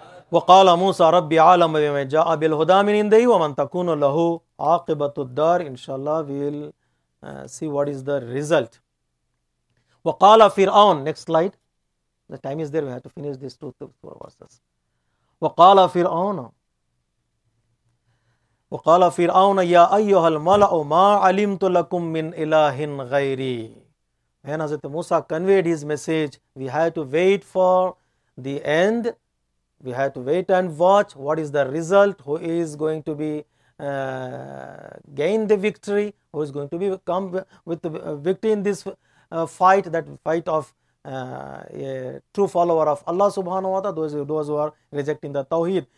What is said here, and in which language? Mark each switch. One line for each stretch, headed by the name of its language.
Arabic: وقال موسى ربي عالم بما جاء بالهدى من عنده ومن تكون له عاقبة الدار.
English: Inshallah, we'll see what is the result.
Arabic: وقال فرعون.
English: Next slide. The time is there. We have to finish these two verses.
Arabic: وقال فرعون. وقال فرعون يا أيها الملأ ما علمت لكم من إله غيري.
English: When Hazrat Musa conveyed his message, we have to wait for the end. We have to wait and watch what is the result, who is going to be gain the victory, who is going to be come with the victory in this fight, that fight of a true follower of Allah subhanahu wa ta'ala, those who are rejecting the Tawheed.